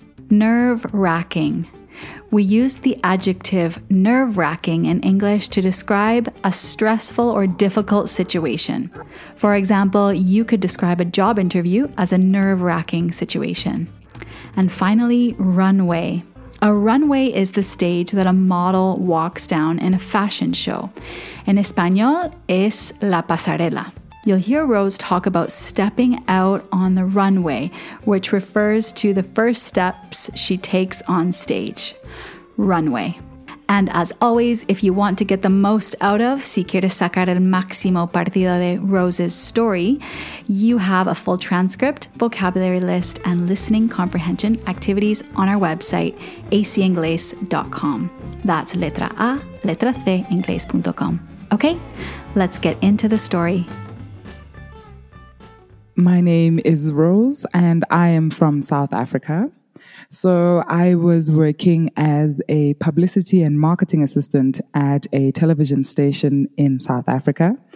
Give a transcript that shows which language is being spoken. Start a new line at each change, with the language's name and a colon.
English: Nerve-wracking. We use the adjective nerve-wracking in English to describe a stressful or difficult situation. For example, you could describe a job interview as a nerve-wracking situation. And finally, runway. A runway is the stage that a model walks down in a fashion show.
Spanish: En español, es la pasarela.
English: You'll hear Rose talk about stepping out on the runway, which refers to the first steps she takes on stage. Runway. And as always, if you want to get the most out of,
Spanish: si quieres sacar el máximo partido de
English: Rose's story, you have a full transcript, vocabulary list, and listening comprehension activities on our website, acinglés.com. That's
Spanish: letra A, letra C,
English: inglés.com. Okay, let's get into the story. My name is Rose and I am from South Africa. So I was working as a publicity and marketing assistant at a television station in South Africa.